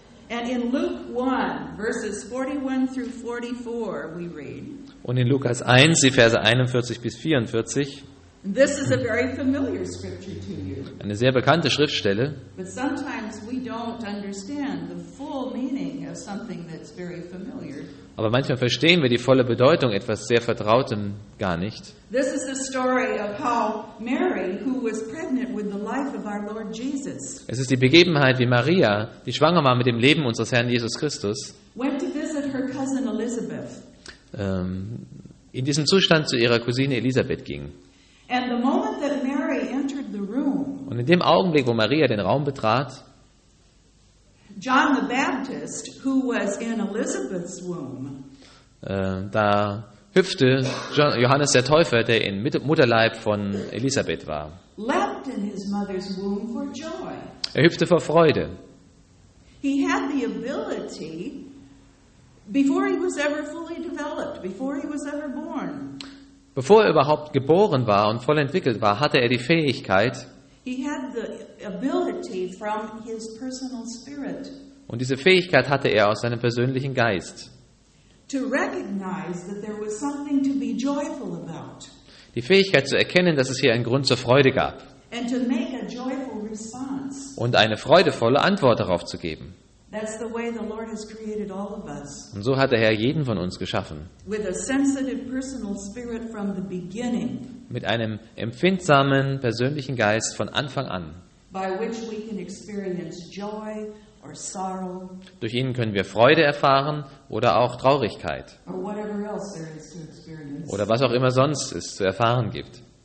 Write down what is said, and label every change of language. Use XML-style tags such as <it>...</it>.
<en>And in Luke 1, verses 41 through 44, we read.</en> <de>Und in Lukas 1, die Verse 41 bis 44.</de> <en>This is a very familiar scripture to you.</en> <de>Eine sehr bekannte Schriftstelle.</de> <en>But sometimes we don't understand the full meaning of something that's very familiar.</en> <de>Aber manchmal verstehen wir die volle Bedeutung etwas sehr Vertrautem gar nicht.</de> <en>This is the story of how Mary, who was pregnant with the life of our Lord Jesus.</en> <de>Es ist die Begebenheit, wie Maria, die schwanger war mit dem Leben unseres Herrn Jesus Christus,</de> <en>went to visit her cousin Elizabeth.</en> <de>In diesem Zustand zu ihrer Cousine Elisabeth ging.</de> <en>And the moment that Mary entered the room,</en> <de>und in dem Augenblick, wo Maria den Raum betrat,</de> <en>John the Baptist, who was in Elizabeth's womb,</en> <de>da hüpfte Johannes der Täufer, der in Mutterleib von Elisabeth war.</de> <en>Leapt in his mother's womb for joy.</en> <de>Er hüpfte vor Freude.</de> <en>He had the ability, before he was ever fully developed, before he was ever born.</en> <de>Bevor er überhaupt geboren war und voll entwickelt war, hatte er die Fähigkeit.</de> <en>He had the ability from his personal spirit.</en> <de>Und diese Fähigkeit hatte er aus seinem persönlichen Geist.</de> <en>To recognize that there was something to be joyful about.</en> <de>Die Fähigkeit zu erkennen, dass es hier einen Grund zur Freude gab.</de> <en>And to make a joyful response.</en> <de>Und eine freudevolle Antwort darauf zu geben.</de> <en>That's the way the Lord has created all of us.</en> <de>Und so hat der Herr jeden von uns geschaffen.</de> <en>With a sensitive personal spirit from the beginning.</en> <de>Mit einem empfindsamen persönlichen Geist von Anfang an.</de> <en>By which we can experience joy or sorrow.</en> <de>Durch ihn können wir Freude erfahren oder auch Traurigkeit.</de> <en>Or whatever else there is to experience.</en> <de>Oder was auch immer sonst es zu erfahren gibt.</de>